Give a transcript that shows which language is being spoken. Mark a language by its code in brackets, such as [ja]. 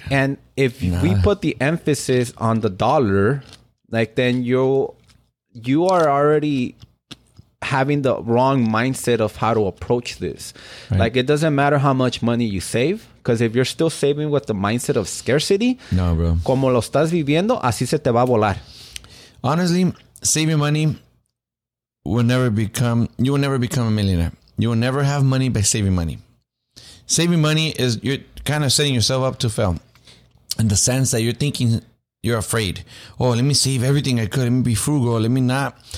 [en] And if we put the emphasis on the dollar, like then you are already having the wrong mindset of how to approach this. Right. Like it doesn't matter how much money you save, because if you're still saving with the mindset of scarcity, no, bro. [es] Como lo estás viviendo, así se te va a volar. [en] Honestly, saving money will never become, you will never become a millionaire. You will never have money by saving money. Saving money is, you're kind of setting yourself up to fail. In the sense that you're thinking, you're afraid. Oh, let me save everything I could. Let me be frugal. Let me not.